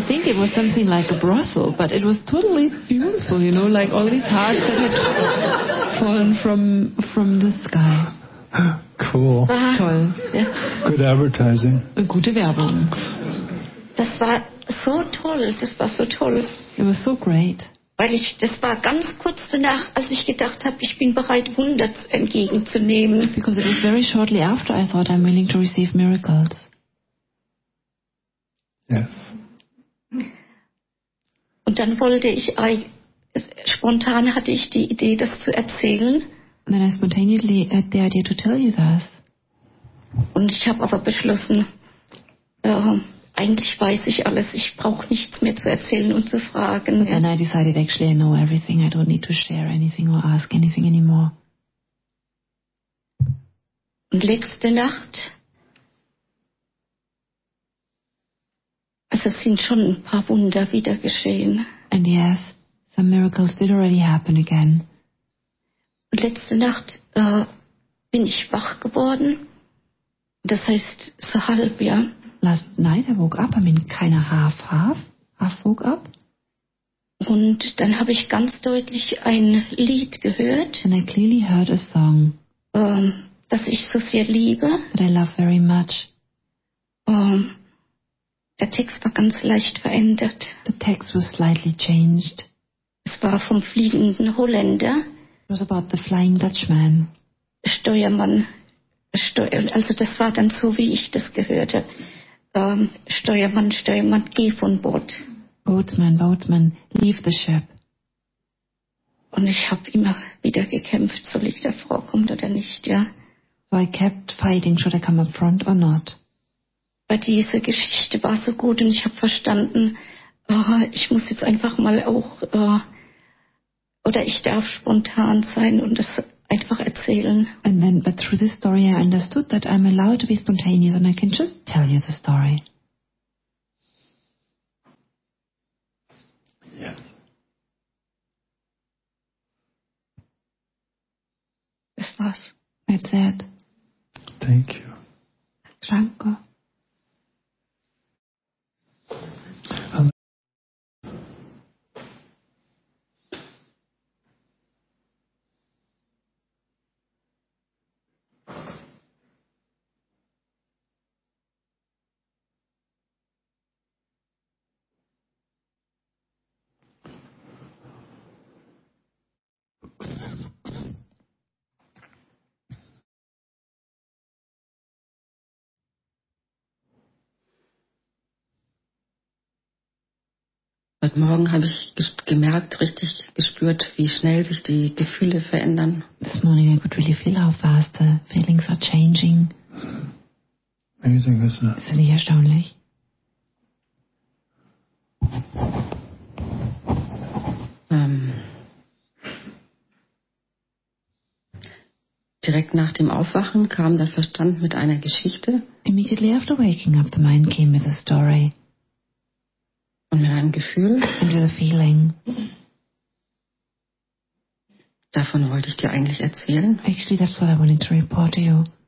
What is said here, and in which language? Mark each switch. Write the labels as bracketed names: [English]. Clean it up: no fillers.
[English] I think it was something like a brothel, but it was totally beautiful, you know, like all these hearts that had fallen from the sky. Cool. [German] Toll. Ja. [English] Good advertising. [German] Gute Werbung. Das war so toll. Das war so toll. [English] It was so great. [German] Weil das war ganz kurz danach, als ich gedacht habe, ich bin bereit, Wunder entgegenzunehmen. [English] Because it was very shortly after I thought I'm willing to receive miracles. Yes. [German] Und dann wollte ich, spontan hatte ich die Idee, das zu erzählen. [English] And then I spontaneously had the idea to tell you that. [German] Und ich habe aber beschlossen, eigentlich weiß ich alles, ich brauche nichts mehr zu erzählen und zu fragen. [English] And I decided actually I know everything, I don't need to share anything or ask anything anymore. [German] Und letzte Nacht, also es sind schon ein paar Wunder wieder geschehen. [English] And yes, some miracles did already happen again. [German] Und letzte Nacht bin ich wach geworden. Das heißt, so halb, ja? [English] Last night I woke up, I mean, [German] keine [English] half-half. Half woke up. [German] Und dann habe ich ganz deutlich ein Lied gehört. [English] And I clearly heard a song. [German] Das ich so sehr liebe. [English] That I love very much. [German] Der Text war ganz leicht verändert. [English] The text was slightly changed. [German] Es war vom fliegenden Holländer. [English] It was about the flying Dutchman. [German] Steuermann. Also das war dann so, wie ich das gehörte. Steuermann, Steuermann, geh von Bord. [English] Boatsman, Boatsman, leave the ship. [German] Und ich habe immer wieder gekämpft, soll ich da vorkommen oder nicht, ja. [English] So I kept fighting, should I come up front or not. [German] Weil diese Geschichte war so gut und ich habe verstanden, ich muss jetzt einfach mal auch, oder ich darf spontan sein und das einfach erzählen. [English] And then, but through this story I understood that I'm allowed to be spontaneous and I can just tell you the story. Yes. [German] Das war's. [English] That's it. Thank you. [German] Danke. Heute Morgen habe ich gemerkt, richtig gespürt, wie schnell sich die Gefühle verändern. [English] This morning I could really feel how fast the feelings are changing. Amazing, isn't it? [German] Ist nicht erstaunlich? Direkt nach dem Aufwachen kam der Verstand mit einer Geschichte. [English] Immediately after waking up, the mind came with a story. [German] Und mit einem Gefühl. [English] And with a feeling. [German] Davon wollte ich dir eigentlich erzählen. [English] Actually, that's what I wanted to report to you.